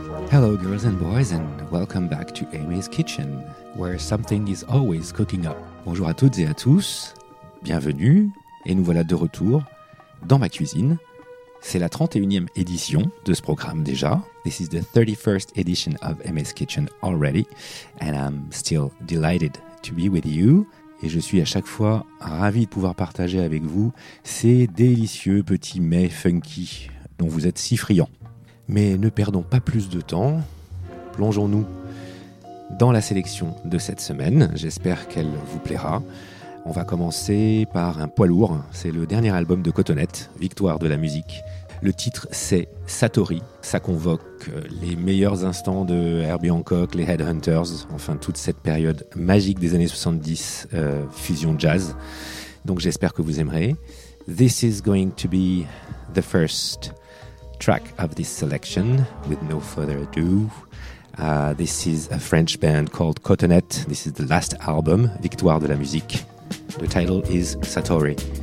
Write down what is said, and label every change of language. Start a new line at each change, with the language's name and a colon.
English: Hello, girls and boys, and welcome back to Amy's Kitchen, where something is always cooking up.
French: Bonjour à toutes et à tous, bienvenue, et nous voilà de retour dans ma cuisine. C'est la 31e édition de ce programme déjà.
English: This is the 31st edition of Amy's Kitchen already, and I'm still delighted to be with you.
French: Et je suis à chaque fois ravi de pouvoir partager avec vous ces délicieux petits mets funky dont vous êtes si friands. Mais ne perdons pas plus de temps, plongeons-nous dans la sélection de cette semaine, j'espère qu'elle vous plaira. On va commencer par un poids lourd, c'est le dernier album de Cotonette, Victoire de la musique. Le titre c'est Satori, ça convoque les meilleurs instants de Herbie Hancock, les Headhunters, enfin toute cette période magique des années 70, fusion jazz. Donc j'espère que vous aimerez.
English: This is going to be the first track of this selection. With no further ado, this is a French band called Cotonette. This is the last album, Victoire de la musique. The title is Satori.